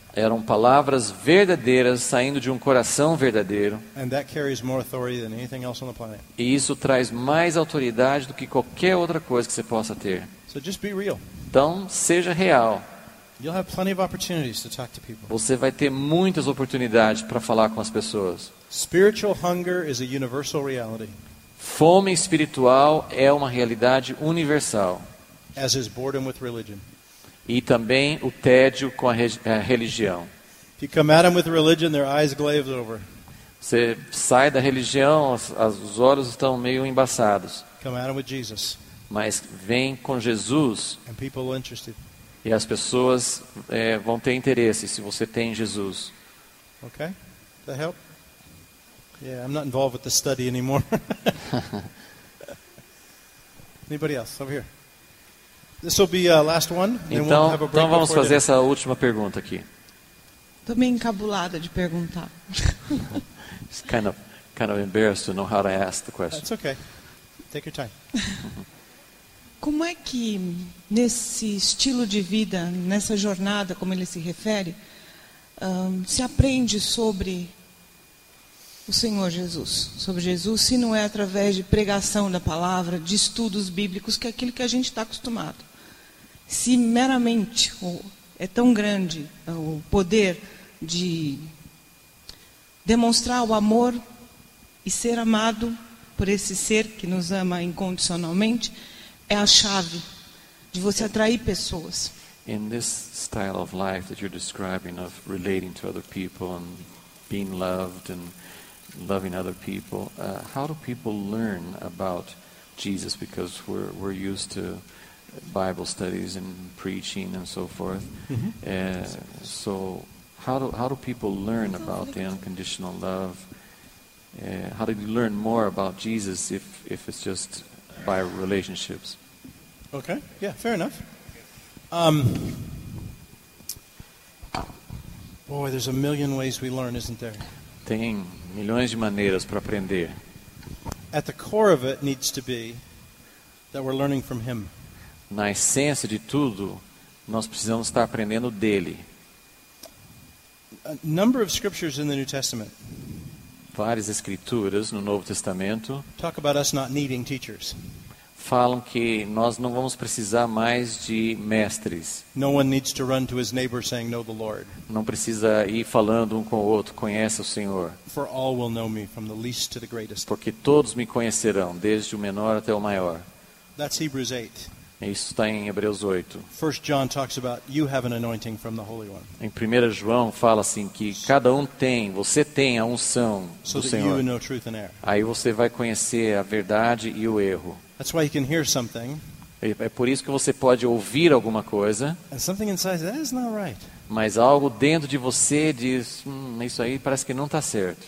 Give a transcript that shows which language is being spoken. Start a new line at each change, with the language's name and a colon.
Portuguese: Eram palavras verdadeiras saindo de um coração verdadeiro.
English: And that carries more authority than anything else on the planet.
Portuguese: E isso traz mais autoridade do que qualquer outra coisa que você possa ter.
English: So just be real.
Portuguese: Então, seja real.
English: You'll have plenty of opportunities to talk to people.
Portuguese: Você vai ter muitas oportunidades para falar com as pessoas.
English: Spiritual hunger is a universal reality.
Portuguese: Fome espiritual é uma realidade universal.
English: As is boredom with religion.
Portuguese: E também o tédio com a religião.
English: If you come at them with religion, their eyes glaze over.
Portuguese: Você sai da religião, os olhos estão meio embaçados.
English: Come at them with Jesus.
Portuguese: Mas vem com Jesus.
English: And people are interested.
Portuguese: E as pessoas vão ter interesse se você tem Jesus.
English: Ok? Does that help? Yeah, I'm not involved with the study anymore. Anybody else? Over here. This will be a last one.
Portuguese: Então,
English: we'll have a
Portuguese: então vamos fazer dinner. Essa última pergunta aqui. Tô meio encabulada de perguntar.
English: It's kind of embarrassed to know how to ask the question. It's okay. Take your time.
Portuguese: Como é que nesse estilo de vida, nessa jornada, como ele se refere, se aprende sobre o Senhor Jesus, sobre Jesus, se não é através de pregação da palavra, de estudos bíblicos, que é aquilo que a gente está acostumado. Se meramente é tão grande o poder de demonstrar o amor e ser amado por esse ser que nos ama incondicionalmente, é a chave de você atrair pessoas.
English: In this style of life that you're describing, of relating to other people and being loved and loving other people, how do people learn about Jesus? Because we're used to Bible studies and preaching and so forth. Mm-hmm. So how do people learn about the unconditional love? How do you learn more about Jesus if it's just by relationships? Okay, yeah, fair enough. Boy, there's a million ways we learn, isn't there?
Portuguese: Tem milhões de maneiras para aprender.
English: At the core of it needs to be that we're learning from him.
Portuguese: Na essência de tudo, nós precisamos estar aprendendo dele.
English: A number of scriptures in the New Testament.
Portuguese: Várias escrituras no Novo Testamento.
English: Talk about us not needing teachers.
Portuguese: Falam que nós não vamos precisar mais de mestres.
English: No one needs to run to his neighbor saying, "Know the Lord."
Portuguese: Não precisa ir falando um com o outro, conhece o Senhor.
English: For all will know me, from the least to the greatest.
Portuguese: Porque todos me conhecerão, desde o menor até o maior.
English: That's Hebrews 8.
Portuguese: Isso está em Hebreus 8.
English: First John talks about you have an anointing from the Holy One.
Portuguese: Em 1 João fala assim que cada um tem, você tem a unção do Senhor.
English: So you know truth and error.
Portuguese: Aí você vai conhecer a verdade e o erro.
English: That's why you can hear something.
Portuguese: É por isso que você pode ouvir alguma coisa.
English: And something inside says, that's not right.
Portuguese: Mas algo dentro de você diz, isso aí parece que não está certo.